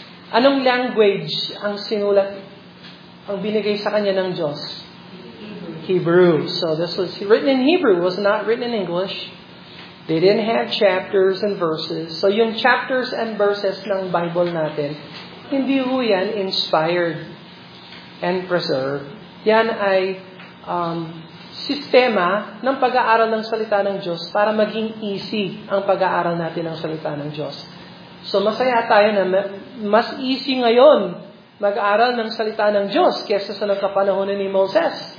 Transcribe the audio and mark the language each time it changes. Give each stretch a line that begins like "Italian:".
Filipino: Anong language ang sinulat, ang binigay sa kanya ng Diyos?
English: Hebrew. So this was written in Hebrew. It was not written in English. They didn't have chapters and verses.
Filipino: So yung chapters and verses ng Bible natin, hindi ho yan
English: inspired and preserved.
Filipino: Yan ay sistema ng pag-aaral ng salita ng Diyos para maging easy ang pag-aaral natin ng salita ng Diyos. So masaya tayo na mas easy ngayon mag-aaral ng salita ng Diyos kesa sa nagkapanahon ni Moses.